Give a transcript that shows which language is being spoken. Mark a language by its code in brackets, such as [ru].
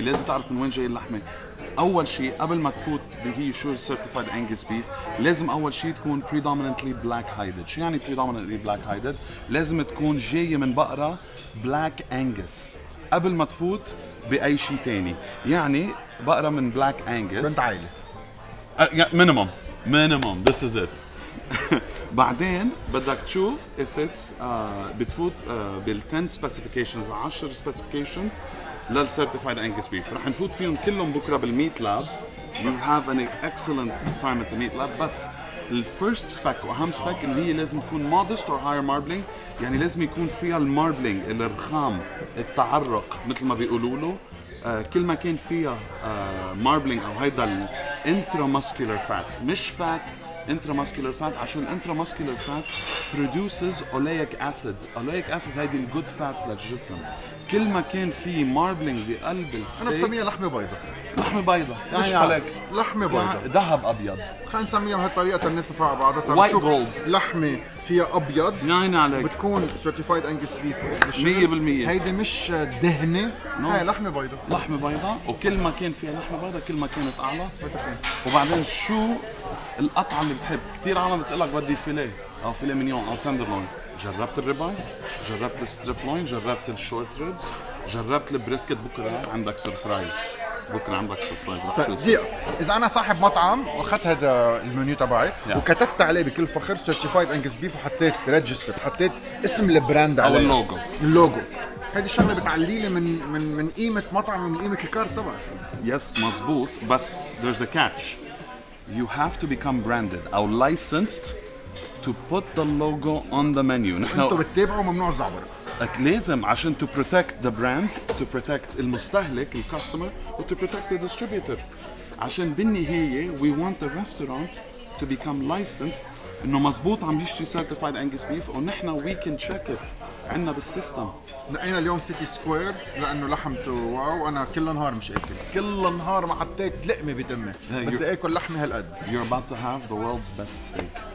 [ar] لازم تعرف من وين جاي اللحمة. أول شيء قبل ما تفوت بهي شو السيرتيفايد أنجس بيف، لازم أول شيء تكون [en] predominantly black hided. [ar] شو يعني [en] predominantly black hided؟ [ar] لازم تكون جاية من بقرة black أنجس قبل ما تفوت بأي شيء تاني. يعني بقرة من بلاك أنجس بنت عائلة [en] Minimum. Minimum, this is it. [ar] بعدين بدك تشوف [en] if it's بتفوت بال 10 specifications 10 specifications لل certified Angus beef. [ar] رح نفوت فيهم كلهم بكرة بالميت لاب. [en] You have an excellent time at the meat lab. [ar] بس ال first spec وأهم spec إن هي لازم تكون [en] modest or higher marbling. [ar] يعني لازم يكون فيها المربلينج الرخام التعرق مثل ما بيقولوا له. كل ما كان فيها [en] marbling أو هيدا ال intramuscular fats مش fat intramuscular fat عشان intramuscular fat produces oleic acids. Oleic acids هيدي ال good fat للجسم. [ar] كل ما كان في marbling بقلب الستيك انا بسميها لحمه بيضة. لحمه بيضة يعني عليك لحمه بيضة ذهب ابيض. خلينا نسميها بهالطريقه الناس تفرع بعضها صار تشوف لحمه فيها ابيض يعني عليك بتكون certified Angus beef 100%. هيدي مش دهنه no. هاي لحمه بيضة. لحمه بيضة وكل ما كان فيها لحمه بيضة كل ما كانت اعلى. متفقين. وبعدين شو القطعه اللي بتحب؟ كثير عالم بتقلك بدي فيليه او فيليه مينيون او تندرلون. جربت الريباي، جربت الستريب لوين، جربت الشورت ريبز، جربت البريسكت. بكرة عندك سوربرايز. بكرة عندك سوربرايز. إذا أنا صاحب مطعم وأخذت هذا المنيو تبعي yeah. وكتبت عليه بكل فخر سيرتيفايد أنجس بيف وحطيت ريجستر حطيت اسم البراند عليه أو اللوجو. اللوجو هذه الشغلة بتعلي لي من من من قيمة مطعم ومن قيمة الكارت تبعي. يس مزبوط. [en] بس there's a catch. You have to become branded أو licensed to put the logo on the menu. [ar] انتوا بتتابعوا ممنوع الزعبرة. [en] لازم عشان to protect the brand, to protect المستهلك, the customer, and to protect the distributor. عشان بالنهاية we want the restaurant to become licensed [ar] انه مزبوط عم بيشتري [en] certified Angus beef ونحنا we can check it عنا بالسيستم. [ar] لقينا اليوم سيتي سكوير لانه لحمته واو. انا كل نهار مش اكل كل نهار ما حطيت لقمة بدمي بدي اكل لحمة هالقد. [en] You're about to have the world's best steak.